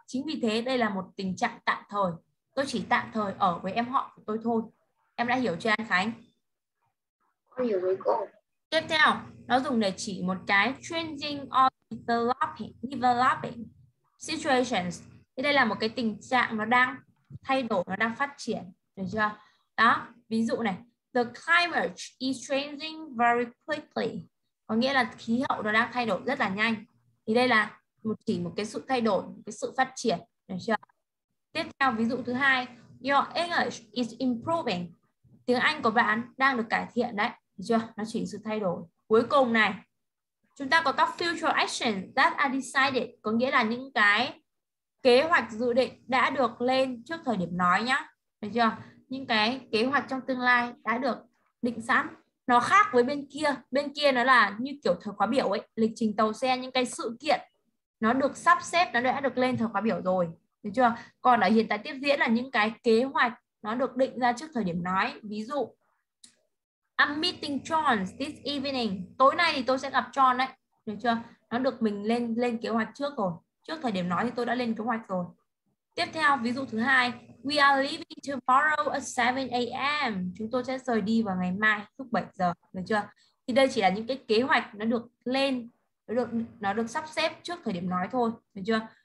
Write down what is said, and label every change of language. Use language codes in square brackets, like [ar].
[vi] Chính vì thế đây là một tình trạng tạm thời. Tôi chỉ tạm thời ở với em họ của tôi thôi. Em đã hiểu chưa An Khánh? Con hiểu rồi cô. Tiếp theo, nó dùng để chỉ một cái [en] changing or developing situations. [vi] Thì đây là một cái tình trạng nó đang thay đổi, nó đang phát triển. Được chưa? Đó, ví dụ này. [en] The climate is changing very quickly. [vi] Có nghĩa là khí hậu nó đang thay đổi rất là nhanh. Thì đây là một chỉ một cái sự thay đổi, một cái sự phát triển. Được chưa? Tiếp theo, ví dụ thứ hai, [en] your English is improving. [vi] Tiếng Anh của bạn đang được cải thiện đấy. Được chưa? Nó chỉ sự thay đổi. Cuối cùng này, chúng ta có các [en] future actions that are decided. [vi] Có nghĩa là những cái kế hoạch dự định đã được lên trước thời điểm nói nhá. Được chưa? Những cái kế hoạch trong tương lai đã được định sẵn. Nó khác với bên kia. Bên kia nó là như kiểu thời khóa biểu ấy. Lịch trình tàu xe, những cái sự kiện nó được sắp xếp, nó đã được lên thời khóa biểu rồi. Được chưa? Còn ở hiện tại tiếp diễn là những cái kế hoạch nó được định ra trước thời điểm nói. Ví dụ, [en] I'm meeting John this evening. [vi] Tối nay thì tôi sẽ gặp John đấy. Được chưa? Nó được mình lên kế hoạch trước rồi. Trước thời điểm nói thì tôi đã lên kế hoạch rồi. Tiếp theo, ví dụ thứ hai, [en] we are leaving tomorrow at 7 a.m. [vi] Chúng tôi sẽ rời đi vào ngày mai lúc 7 giờ, được chưa? Thì đây chỉ là những cái kế hoạch nó được lên, nó được sắp xếp trước thời điểm nói thôi, được chưa?